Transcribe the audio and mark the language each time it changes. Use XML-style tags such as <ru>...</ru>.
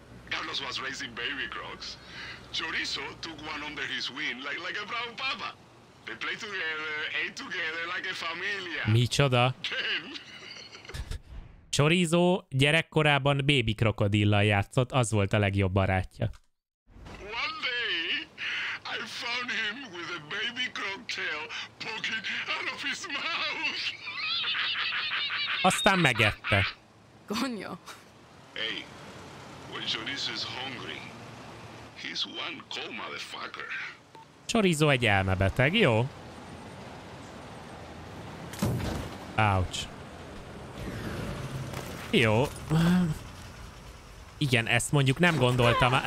<en>Carlos was raising baby crocs. Chorizo took one under his wing like a brown papa. They play together, ate together like a familia.</en> <hu>Micsoda? Chorizo gyerekkorában baby krokodillal játszott, az volt a legjobb barátja.</hu> <en>One day, I found him with a baby croc tail poking out of his mouth.</en> <hu>Aztán megette. Gonyo.</hu> <en>Hey, when Chorizo is hungry, he's one cold motherfucker.</en> <hu>Chorizo egy elmebeteg, jó? Ouch. Jó. Igen, ezt mondjuk nem gondoltam.</hu>